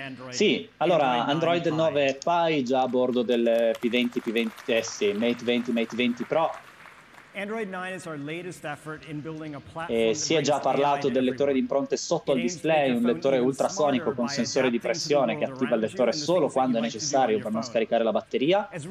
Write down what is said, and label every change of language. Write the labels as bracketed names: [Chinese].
[Italian] Sì, allora Android 9 Pie già a bordo del P20, P20S, Mate 20, Mate 20 Pro. [English] Android 9 is our latest effort in building a platform. [Italian] Si è già parlato del lettore di impronte sotto il display, un lettore ultrasonico con sensore di pressione che attiva il lettore solo quando è necessario per non scaricare la batteria.